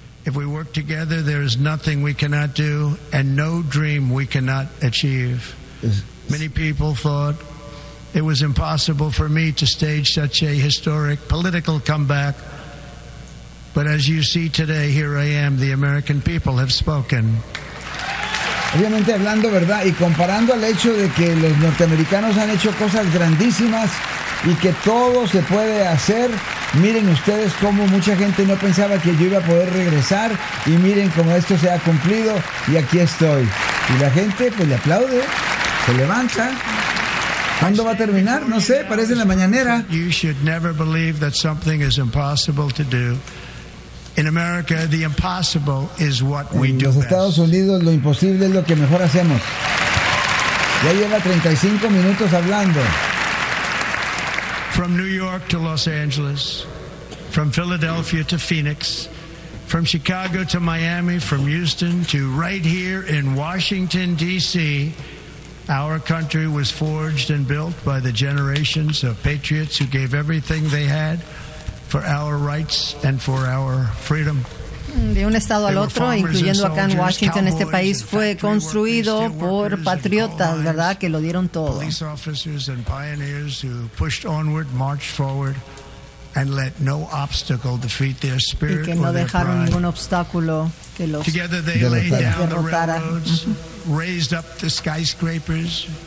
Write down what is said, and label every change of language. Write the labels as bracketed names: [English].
[English] If we work together, there is nothing we cannot do and no dream we cannot achieve. Many people thought it was impossible for me to stage such a historic political comeback. But as you see today, here I am. The American people have spoken. [Spanish] Obviamente hablando, ¿verdad?, y comparando al hecho de que los norteamericanos han hecho cosas grandísimas y que todo se puede hacer. Miren ustedes cómo mucha gente no pensaba que yo iba a poder regresar, y miren cómo esto se ha cumplido y aquí estoy. Y la gente pues le aplaude, se levanta. ¿Cuándo va a terminar? No sé, parece en la mañanera. [English] You should never believe that something is impossible to do. In America, the impossible is what we do. [Spanish] En los Estados Unidos, lo imposible es lo que mejor hacemos. Ya lleva 35 minutos hablando. [English] From New York to Los Angeles, from Philadelphia to Phoenix, from Chicago to Miami, from Houston to right here in Washington, D.C., our country was forged and built by the generations of patriots who gave everything they had for our rights and for our freedom. [Spanish] De un estado al otro, incluyendo acá en Washington, este país fue construido por patriotas, ¿verdad?, que lo dieron todo. [English] Police officers and pioneers who pushed onward, marched forward, and let no obstacle defeat their spirit. [Spanish] Y que no dejaron ningún obstáculo que los [English] derrotara. Together they laid down the railroads, raised up the skyscrapers,